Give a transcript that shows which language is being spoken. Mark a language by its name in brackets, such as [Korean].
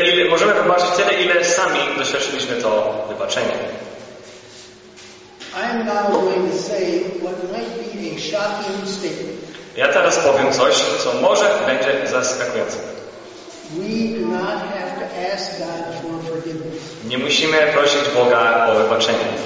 [Polish] Możemy wybaczyć tyle, ile sami doświadczyliśmy to wybaczenie. [English] I am now going to say what might be a shocking statement. [Polish] Ja teraz powiem coś, co może będzie zaskakujące. [English] We do not have to ask God for forgiveness. [Polish] Nie musimy prosić Boga o wybaczenie.